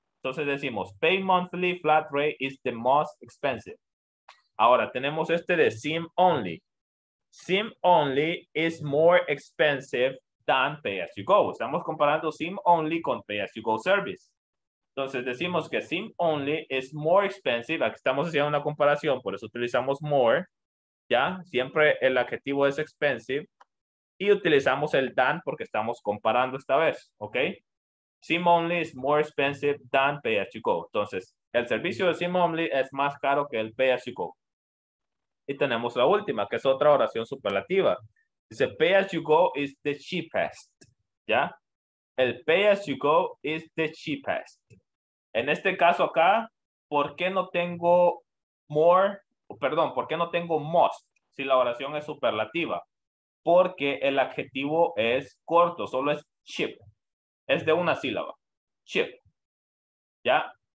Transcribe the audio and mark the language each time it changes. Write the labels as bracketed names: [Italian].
[Spanish] Entonces decimos, [English] pay monthly flat rate is the most expensive. [Spanish] Ahora tenemos este de [English] SIM only. SIM only is more expensive than pay as you go. [Spanish] Estamos comparando SIM only con pay as you go service. Entonces decimos que SIM only is more expensive. Aquí estamos haciendo una comparación, por eso utilizamos more. Ya, siempre el adjetivo es expensive. Y utilizamos el than porque estamos comparando esta vez. ¿Ok? [English] SIM only is more expensive than pay as you go. [Spanish] Entonces, el servicio de SIM only es más caro que el pay as you go. Y tenemos la última, que es otra oración superlativa. [English] Dice, pay as you go is the cheapest. Ya. El pay as you go is the cheapest. [Spanish] En este caso acá, ¿por qué no tengo more? Perdón, ¿por qué no tengo must? Si la oración es superlativa. Porque el adjetivo es corto, solo es cheap. Es de una sílaba. Cheap. ¿Ya?